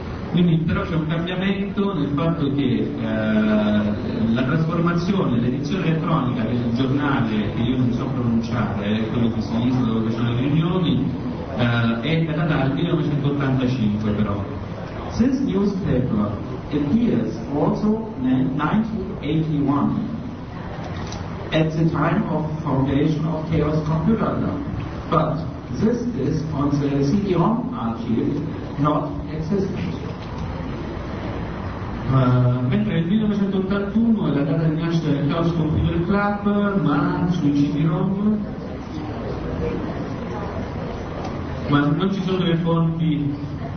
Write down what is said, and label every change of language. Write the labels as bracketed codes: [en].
[it] Quindi però c'è un cambiamento nel fatto che la trasformazione, l'edizione elettronica del giornale, che io non so pronunciare, è quello che si dice dove sono le riunioni, è data dal 1985 però. [en] Since newspaper appears also in 1981, at the time of foundation of Chaos Computer Club, but this is on the CD-ROM archive not existent. [it] Mentre il 1981 è la data di nascita del Chaos Computer Club, ma sui CD-ROM, ma non ci sono le fonti.